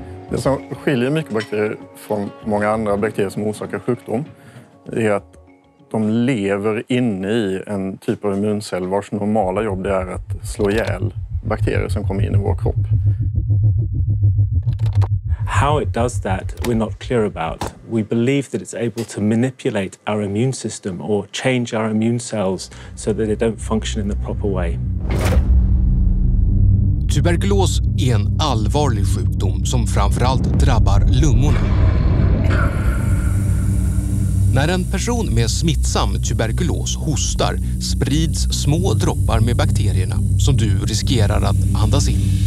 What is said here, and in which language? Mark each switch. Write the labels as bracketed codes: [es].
[sv] Det som skiljer mykobakterier från många andra bakterier som orsakar sjukdom är att de lever inne i en typ av immuncell vars normala jobb det är att slå ihjäl bakterier som kommer in i vår kropp. [en] How it does that, we're not clear about. We believe that it's able to manipulate our immune system or change our immune cells so that they don't function in the proper way. [sv] Tuberkulos är en allvarlig sjukdom som framförallt drabbar lungorna. När en person med smittsam tuberkulos hostar sprids små droppar med bakterierna som du riskerar att andas in.